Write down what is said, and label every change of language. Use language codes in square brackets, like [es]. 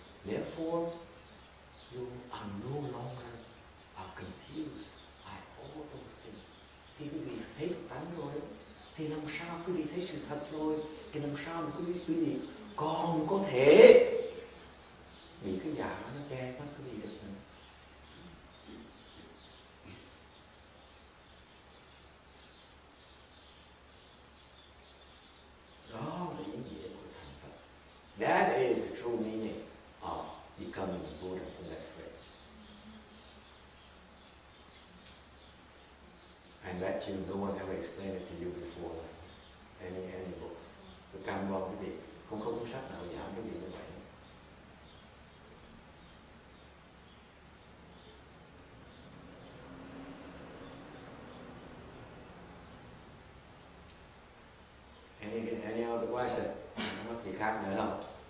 [en] Therefore, you are no longer confused by all those things. [vi] Khi quý vị thấy Phật tánh rồi, thì làm sao quý vị thấy sự thật rồi? Thì làm sao quý vị còn có thể bị cái giả nó che mắt quý vị được? Đó là ý nghĩa của thành Phật. [en] That is the true meaning. Becoming a Buddha in that phrase. I bet you no one ever explained it to you before, like any books. [vi] The cảm quan quý vị cũng không có sách nào giảng quý vị như vậy. [en] Any other question? [vi] Không có gì khác nữa không?